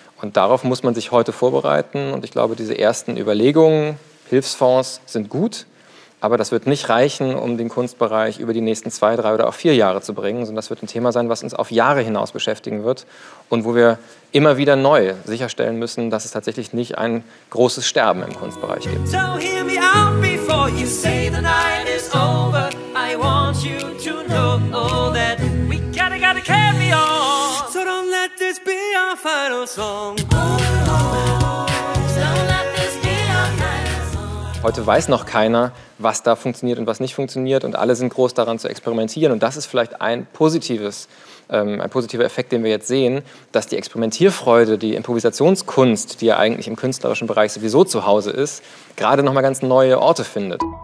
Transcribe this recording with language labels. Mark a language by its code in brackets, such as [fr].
[de] Und darauf muss man sich heute vorbereiten. Und ich glaube, diese ersten Überlegungen, Hilfsfonds sind gut, aber das wird nicht reichen, um den Kunstbereich über die nächsten 2, 3 oder auch 4 Jahre zu bringen, sondern das wird ein Thema sein, was uns auf Jahre hinaus beschäftigen wird und wo wir immer wieder neu sicherstellen müssen, dass es tatsächlich nicht ein großes Sterben im Kunstbereich gibt. [en] So hear me out before you say the night is over. I want you to know that we gotta carry on. So don't let this be our final song. [de] Heute weiß noch keiner, was da funktioniert und was nicht funktioniert. Und alle sind groß daran zu experimentieren. Und das ist vielleicht ein positiver Effekt, den wir jetzt sehen, dass die Experimentierfreude, die Improvisationskunst, die ja eigentlich im künstlerischen Bereich sowieso zu Hause ist, gerade noch mal ganz neue Orte findet.